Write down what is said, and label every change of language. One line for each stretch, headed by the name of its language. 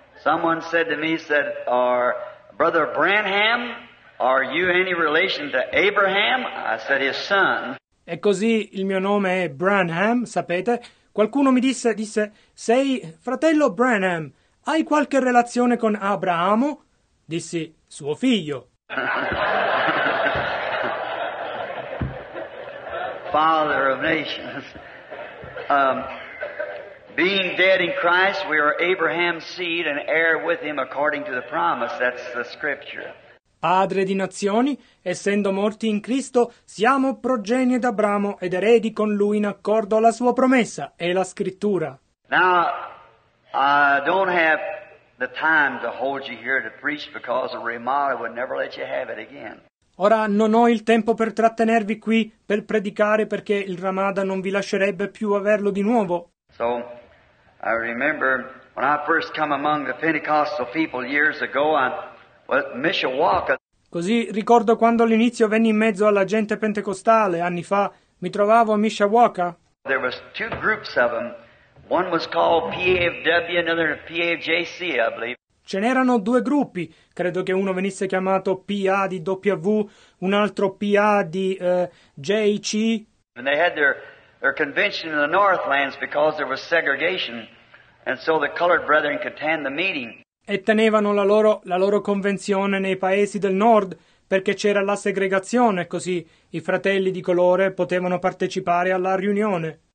English: Someone said to me, said, "Are Brother Branham, are you any relation to Abraham?" I said, "His son."
Italian: E così il mio nome è Branham, sapete? Qualcuno mi disse, "Sei fratello Branham, hai qualche relazione con Abramo?" Dissi, "Suo figlio."
English: Father of nations. Being dead in Christ, we are Abraham's seed and heir with him according to the promise. That's the scripture.
Italian: Padre di nazioni, essendo morti in Cristo, siamo progenie d'Abramo ed eredi con lui in accordo alla sua promessa e la scrittura.
English: Now, I don't have the time to hold you here to preach because the Ramada would never let you have it again.
Italian: Ora non ho il tempo per trattenervi qui per predicare perché il Ramada non vi lascerebbe più averlo di nuovo.
English: So, I remember when I first come among the Pentecostal people years ago, Mishawaka.
Italian: Così ricordo quando all'inizio venni in mezzo alla gente pentecostale anni fa, mi trovavo a Mishawaka.
English: There was two groups of them. One was called PAFW, another PAJC, I believe.
Italian: Ce n'erano due gruppi, credo che uno venisse chiamato PA di W, un altro PA di JC.
English: And they had their convention in the Northlands because there was segregation, and so the colored brethren could attend the meeting.
Italian: E tenevano la loro convenzione nei paesi del nord perché c'era la segregazione, così i fratelli di colore potevano partecipare alla riunione.